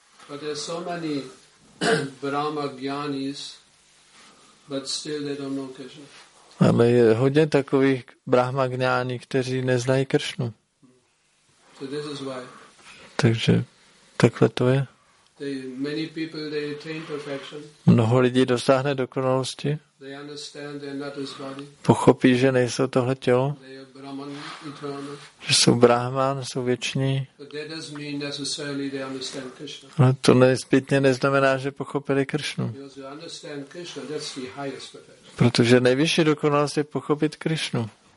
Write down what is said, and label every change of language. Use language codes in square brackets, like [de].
[en] But there are so many Brahma Gyanis, but still they don't know Krishna. [cs] Ale je hodně takových Brahma Gnáni, kteří neznají Kršnu. [en] So this is why. [cs] Takže takhle to je. [en] Many people, they attain perfection. [cs] Mnoho lidí dosáhne dokonalosti. [en] They understand they're not this body. [cs] Pochopí, že nejsou tohle tělo. [en] They are Brahman eternal. [cs] Že jsou Brahman, jsou věční. [en] But that doesn't mean necessarily they understand Krishna. [cs] Ale to nezbytně neznamená, že pochopili Krishnu. [en] Because you understand Krishna, that's the highest perfection. [cs] Protože nejvyšší dokonalost je pochopit Krishnu.